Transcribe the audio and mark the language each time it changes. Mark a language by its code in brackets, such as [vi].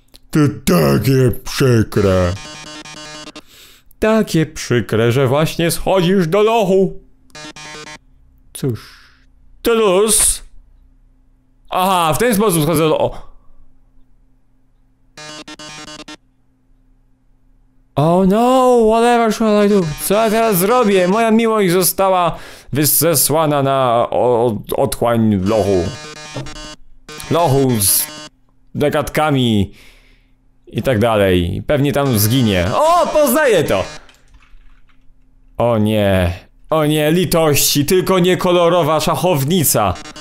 [pl] To takie przykre... takie przykre, że właśnie schodzisz do lochu. Cóż... to luz. Aha, w ten sposób schodzę do... [en] Oh no, whatever shall I do? [pl] Co ja teraz zrobię? Moja miłość została wysłana na otchłań w lochu. Lochu z... dekadkami... i tak dalej. Pewnie tam zginie. O, poznaję to! O nie, litości, tylko nie kolorowa szachownica.